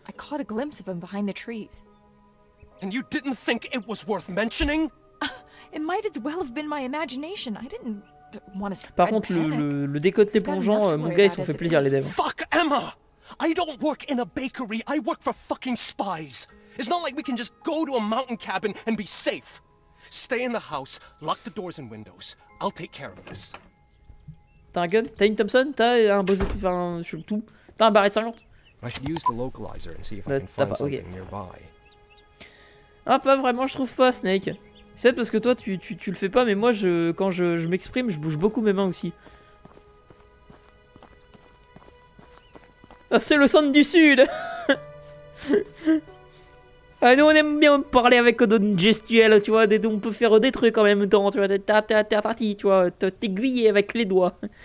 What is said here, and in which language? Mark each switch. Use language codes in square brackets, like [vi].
[en] I caught a glimpse of him behind the trees. And you didn't think it was worth mentioning? It might as well have been my imagination. I didn't want to. [fr] Par contre, le décolleté plongeant, mon gars, ils se sont fait plaisir, les devs. [en] Fuck Emma! I don't work in a bakery. I work for fucking spies. It's not like we can just go to a mountain cabin and be safe. Stay in the house, lock the doors and windows. I'll take care of this. [fr] T'as un gun? T'as une Thompson? T'as un Bose? Enfin, je suis tout. T'as un Barrett 50? [en] I should use the localizer and see if I can find something nearby. [fr] Ah, pas vraiment, je trouve pas, Snake. C'est peut-être parce que toi, tu le fais pas, mais moi, quand je m'exprime, je bouge beaucoup mes mains aussi. Ah, c'est le centre du sud! Ah, nous on aime bien parler avec une gestuelle, tu vois, on peut faire des trucs en même temps, tu vois, t'aiguiller avec les doigts.